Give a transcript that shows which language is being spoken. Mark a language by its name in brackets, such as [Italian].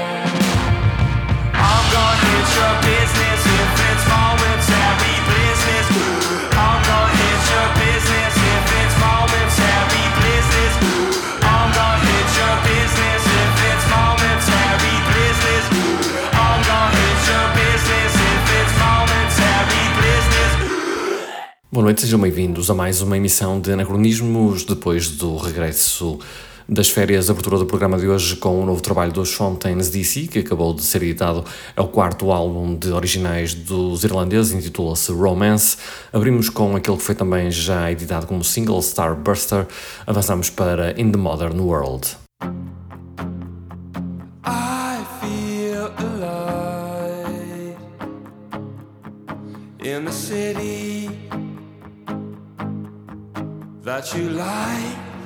[English] I'm gonna hit your business if it's momentary business. I'm gonna hit your business if it's momentary business. I'm gonna hit your business if it's momentary business. I'm gonna hit your business if it's momentary business. [Portuguese] Boa noite, sejam bem-vindos a mais uma emissão de Anacronismos depois do regresso das férias. Abertura do programa de hoje com o novo trabalho dos Fontaines DC, que acabou de ser editado, é o quarto álbum de originais dos irlandeses, intitula-se Romance. Abrimos com aquele que foi também já editado como single, Starburster. Avançamos para In the Modern World. [English] I feel alive in the city that you like.